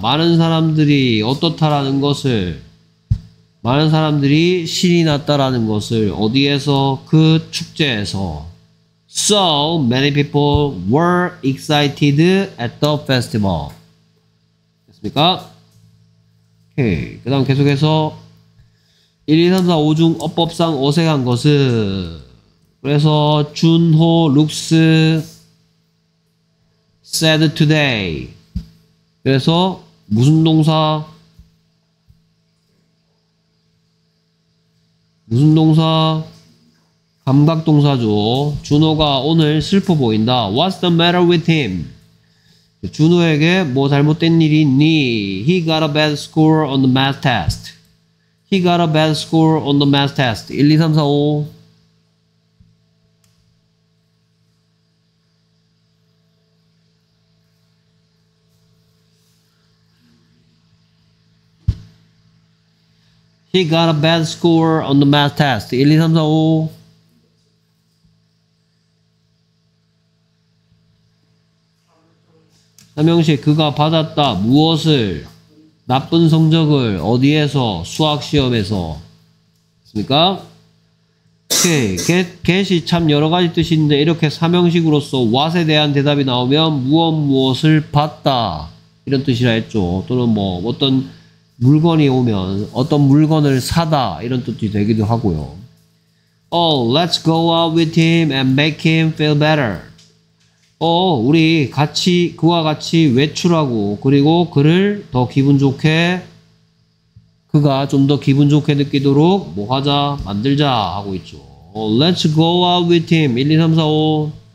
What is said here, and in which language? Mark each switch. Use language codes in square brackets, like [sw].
[ko] 많은 사람들이 어떻다라는 것을. 많은 사람들이 신이 났다라는 것을 어디에서? 그 축제에서. [en] So many people were excited at the festival. [ko] 됐습니까? 오케이. 그 다음 계속해서 1, 2, 3, 4, 5 중 어법상 어색한 것은. 그래서 준호 룩스 [en] sad today. [ko] 그래서 무슨 동사? 무슨 동사? 감각 동사죠. 준호가 오늘 슬퍼 보인다. [en] What's the matter with him? [ko] 준호에게 뭐 잘못된 일이 있니? [en] He got a bad score on the math test. He got a bad score on the math test. 1, 2, 3, 4, 5. He got a bad score on the math test. [ko] 1, 2, 3, 4, 5. 3명씩 그가 받았다. 무엇을? 나쁜 성적을. 어디에서? 수학시험에서. 됐습니까? 오케이. get이 참 여러가지 뜻이 있는데 이렇게 3명식으로서 what에 대한 대답이 나오면 무엇 무엇을 받다 이런 뜻이라 했죠. 또는 뭐 어떤 물건이 오면 어떤 물건을 사다 이런 뜻이 되기도 하고요. [en] Oh, let's go out with him and make him feel better. [ko] 우리 같이 그와 같이 외출하고 그리고 그를 더 기분 좋게 그가 좀 더 기분 좋게 느끼도록 뭐 하자 만들자 하고 있죠. [en] Oh, let's go out with him. 1, 2, 3, 4, 5.